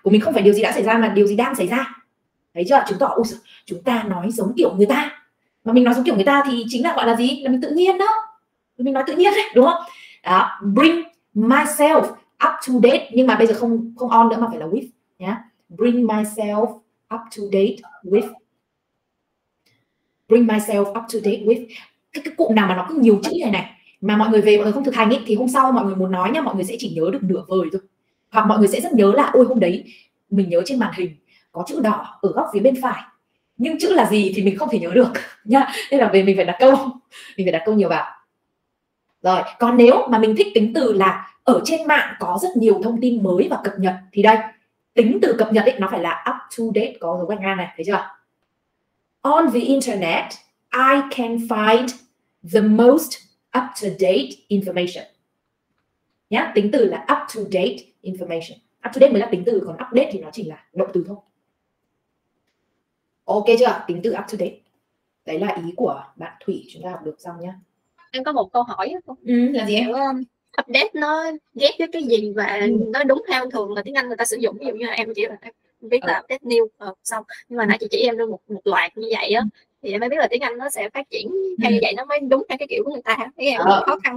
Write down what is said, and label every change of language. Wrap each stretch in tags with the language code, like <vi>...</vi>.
<vi>Của mình không phải điều gì đã xảy ra mà điều gì đang xảy ra. Thấy chưa? Chứng tỏ ôi giời, chúng ta nói giống kiểu người ta. Mà mình nói giống kiểu người ta thì chính là gọi là gì? Là mình tự nhiên đó. Mình nói tự nhiên đấy, đúng không? Đó,</vi> <en>bring myself up to date,</en> <vi>nhưng mà bây giờ không không on nữa mà phải là with nhá.</vi> <en>Bring myself up to date with. Bring myself up to date with.</en> <vi>Cái cụm nào mà nó cứ nhiều chữ này này mà mọi người về mọi người không thực hành ý, thì hôm sau mọi người muốn nói nhá, mọi người sẽ chỉ nhớ được nửa vời thôi. Hoặc mọi người sẽ rất nhớ là ôi hôm đấy mình nhớ trên màn hình có chữ đỏ ở góc phía bên phải. Nhưng chữ là gì thì mình không thể nhớ được nhá. Nên là về mình phải đặt câu. Mình phải đặt câu nhiều vào. Rồi, còn nếu mà mình thích tính từ là ở trên mạng có rất nhiều thông tin mới và cập nhật thì đây, tính từ cập nhật ấy nó phải là up to date có dấu gạch ngang này, thấy chưa?</vi> <en>On the internet, I can find the most up to date information.</en> <vi>Nhá, tính từ là</vi> <en>up to date information.</en> <vi>Up to date mới là tính từ, còn update thì nó chỉ là động từ thôi. Ok chưa? Tính từ up to date. Đấy là ý của bạn Thủy, chúng ta học được xong nhá. Em có một câu hỏi Ừ, là gì kiểu em? update nó ghép với cái gì và nó đúng theo thường là tiếng Anh người ta sử dụng, ví dụ như là em chỉ là biết là update new xong, nhưng mà nãy chị chỉ em được một loạt như vậy á thì em mới biết là tiếng Anh nó sẽ phát triển theo như vậy nó mới đúng theo cái kiểu của người ta, thấy em cũng khó khăn</vi>